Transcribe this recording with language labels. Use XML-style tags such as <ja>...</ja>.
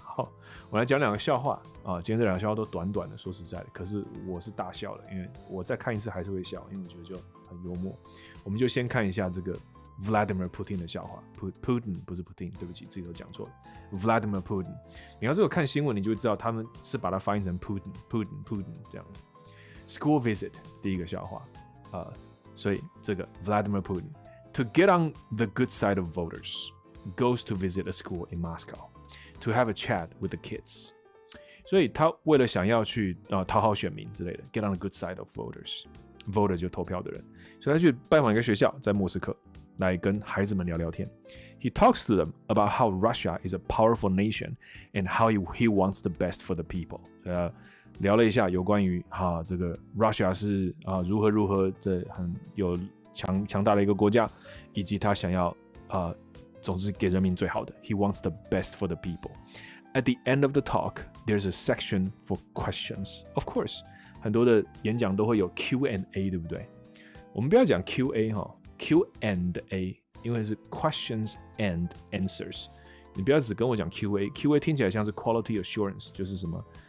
<zh>好，我来讲两个笑话啊，今天这两个笑话都短短的，说实在的，可是我是大笑了，因为我再看一次还是会笑，因为我觉得就很幽默。我们就先看一下这个 Vladimir Putin 的笑话 ，Putin 不是 Putin， 对不起，自己都讲错了 ，Vladimir Putin。你要是有看新闻，你就知道他们是把它翻译成 Putin 这样子。</zh> <en>School visit，</en> <zh>第一个笑话，所以这个</zh> <en>Vladimir Putin to get on the good side of voters goes to visit a school in Moscow to have a chat with the kids。</en> <zh>所以他为了想要去讨好选民之类的，</zh> <en>get on the good side of voters，</en> <zh>voter 就投票的人，所以他去拜访一个学校在莫斯科，来跟孩子们聊聊天。</zh> <en>He talks to them about how Russia is a powerful nation and how he wants the best for the people。</en> <zh>聊了一下有关于这个 Russia 是如何如何的很有强大的一个国家，以及他想要总之给人民最好的。</zh> <en>He wants the best for the people. At the end of the talk, there's a section for questions. Of course,</en> <zh>很多的演讲都会有 Q&A， 对不对？我们不要讲 QA 哈 ，Q&A， 因为是 questions and answers。你不要只跟我讲 QA，QA 听起来像是 quality assurance， 就是什么？</zh>